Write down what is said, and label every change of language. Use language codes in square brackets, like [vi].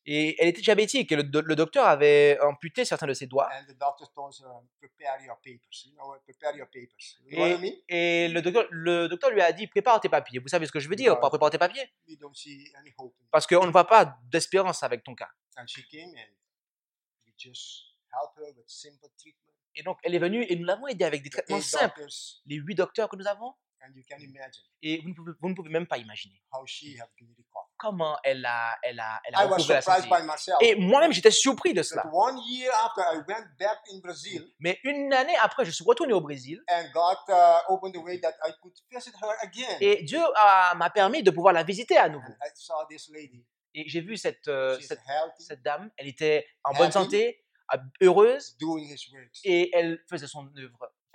[fr] Et elle était diabétique et le docteur avait amputé certains de ses doigts. [en] And the doctor told her, prepare your papers. You know, prepare your papers. You [fr] et, [en] know what I mean? [fr] Et le docteur lui a dit, prépare tes papiers. Vous savez ce que je veux dire, pas prépare tes papiers. [en] We don't see any hope. [fr] Parce qu'on ne voit pas d'espérance avec ton cas. [en] And she came and we just helped her with simple treatment. [fr] Et donc, elle est venue et nous l'avons aidée avec des traitements simples. Les 8 docteurs que nous avons. [en] And you can imagine [fr] et vous ne pouvez même pas imaginer [en] how she have been recovered. [fr] Comment elle a recouvert la santé. [en] By myself. [fr] Et moi-même, j'étais surpris de cela. [en] But 1 year after I went back in Brazil, [fr] mais une année après, je suis retourné au Brésil. [en] And God, opened the way that I could visit her again. [fr] Et Dieu m'a permis de pouvoir la visiter à nouveau. [en] And I saw this lady. [fr] Et j'ai vu cette dame. Elle était en bonne santé. Heureuse [en] doing his work. [fr] Et elle faisait son œuvre.